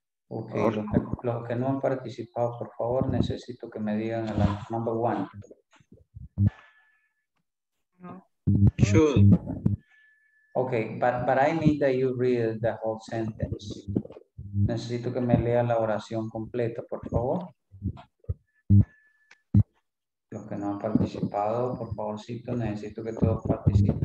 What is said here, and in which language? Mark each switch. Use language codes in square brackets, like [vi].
[es] Okay, los que no han participado, por favor, necesito que me digan el [en] number one. Should. Okay, but I need that you read the whole sentence. [es] Necesito que me lea la oración completa, por favor. Los que no han participado, por favorcito, necesito que todos participen.